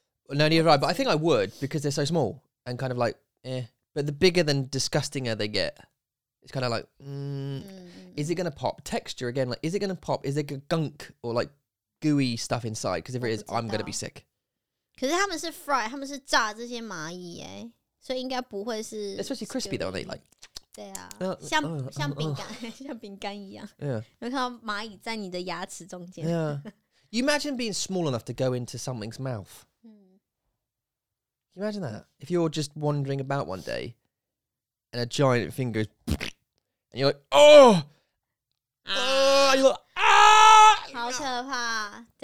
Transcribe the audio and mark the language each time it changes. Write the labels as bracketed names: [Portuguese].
[English] No, neither, right, but I think I would, because they're so small, and kind of like, eh. But the bigger than disgustinger they get, it's kind of like, is it going to pop? Texture, again, like, is it going to pop? Is there gunk or like gooey stuff inside? Because if it is, I'm going to be sick. [Chinese] 可是他们是 fry, 他们是炸这些蚂蚁诶, 所以应该不会是... [English] Especially crispy though, they like... [Chinese] 对啊,像饼干一样。 [English] Yeah. [Chinese] 有看到蚂蚁在你的牙齿中间。 [English] Yeah. You imagine being small enough to go into something's mouth. Can you imagine that? If you're just wandering about one day, and a giant finger is... And you're like, oh! You're like... [Chinese] 好可怕,